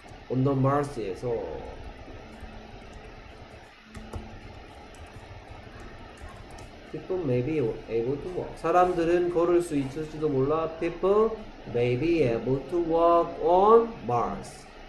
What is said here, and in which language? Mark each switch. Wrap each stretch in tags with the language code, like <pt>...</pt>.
<en>On the Mars에서 People may be able to walk.</en> <ko>사람들은 걸을 수 있을지도 몰라.</ko> <en>People may be able to walk on Mars.</en>